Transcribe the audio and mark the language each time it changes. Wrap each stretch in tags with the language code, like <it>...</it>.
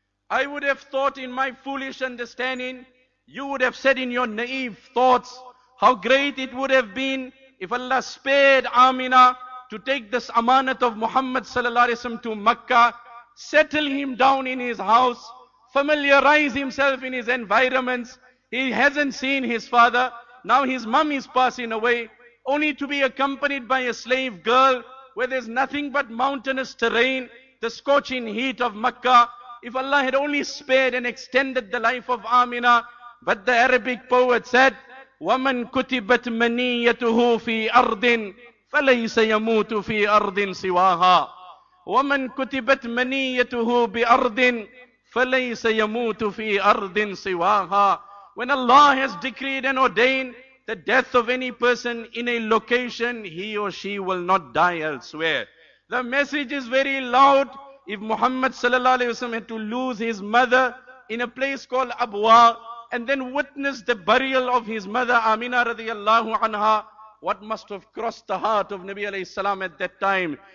<en>I would have thought in my foolish understanding, you would have said in your naive thoughts, how great it would have been if Allah spared Amina to take this amanat of Muhammad sallallahu alayhi wasalam to Makkah, settle him down in his house, familiarize himself in his environments. He hasn't seen his father. Now his mum is passing away, only to be accompanied by a slave girl where there's nothing but mountainous terrain, the scorching heat of Makkah. If Allah had only spared and extended the life of Amina, but the Arabic poet said,</en> <ar>وَمَنْ كُتِبَتْ مَنِيَّتُهُ فِي أَرْضٍ فَلَيْسَ يَمُوتُ فِي أَرْضٍ سِوَاهَا وَمَنْ كُتِبَتْ مَنِيَّتُهُ بِأَرْضٍ فَلَيْسَ يَمُوتُ فِي أَرْضٍ سِوَاهَا.</ar> <en>When Allah has decreed and ordained the death of any person in a location, he or she will not die elsewhere. The message is very loud. If Muhammad sallallahu alaihi wasallam had to lose his mother in a place called Abwa and then witness the burial of his mother Amina radiyallahu anha, what must have crossed the heart of Nabi alayhi salam at that time?</en>